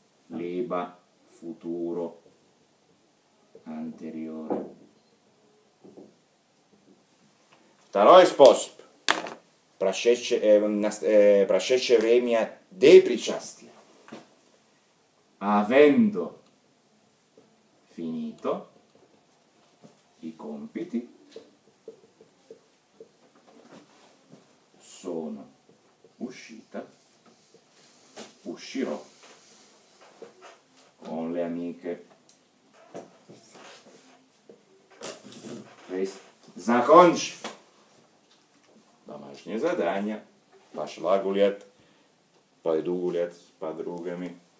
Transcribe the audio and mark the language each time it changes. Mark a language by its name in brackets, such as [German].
[Russian] Либо футуро. Anteriore. Второй способ. Прошедшее время dei причастия. [Italian] Avendo finito i compiti, sono uscita, uscirò con le amiche. [Russian] Закончив домашнее задание, пошла гулять, пойду гулять с подругами.